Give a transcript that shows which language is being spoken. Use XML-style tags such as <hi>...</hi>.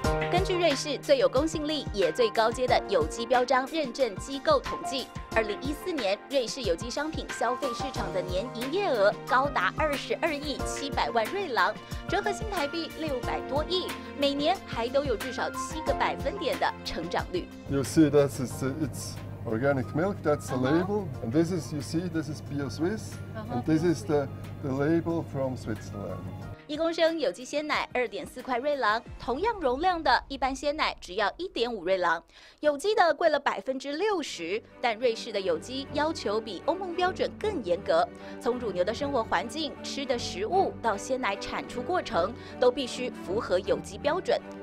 <zh>根据瑞士最有公信力也最高阶的有机标章认证机构统计，2014年瑞士有机商品消费市场的年营业额高达22亿700万瑞郎，折合新台币600多亿，每年还都有至少7%的成长率。</zh> <en>You see that it's organic milk. That's the label, and this is you see this is Bio Swiss, and this is the label from Switzerland.</en> <zh>一公升有机鲜奶2.4块瑞郎，同样容量的一般鲜奶只要1.5瑞郎，有机的贵了60%，但瑞士的有机要求比欧盟标准更严格，从乳牛的生活环境、吃的食物到鲜奶产出过程，都必须符合有机标准。</zh>